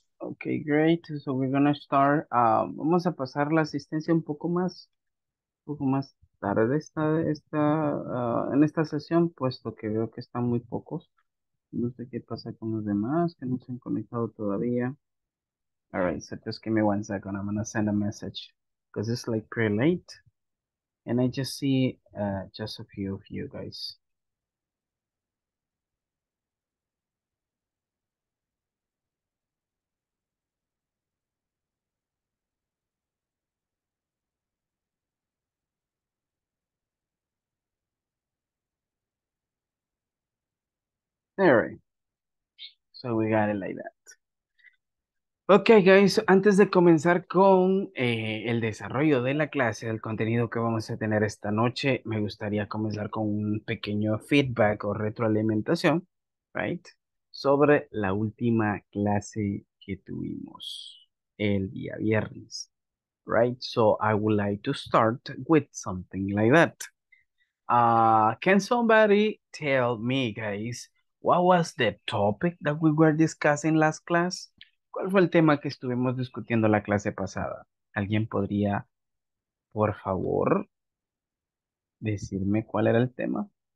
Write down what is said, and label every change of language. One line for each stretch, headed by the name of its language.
English: okay, great. So we're gonna start.
Spanish: Vamos a pasar la asistencia un poco más tarde en esta sesión, puesto que veo que están muy pocos. No sé qué pasa con los demás que no se han conectado todavía.
English: All right, so just give me 1 second. I'm gonna send a message because it's like pretty late, and I just see just a few of you guys. There. So we got it like that.
Spanish: Okay, guys, antes de comenzar con el desarrollo de la clase, del contenido que vamos a tener esta noche, me gustaría comenzar con un pequeño feedback o retroalimentación, right, sobre la última clase que tuvimos el día viernes, right?
English: So I would like to start with something like that. Can somebody tell me, guys, what was the topic that we were discussing last class?
Spanish: ¿Cuál fue el tema que estuvimos discutiendo la clase pasada? ¿Alguien podría, por favor, decirme cuál era el tema?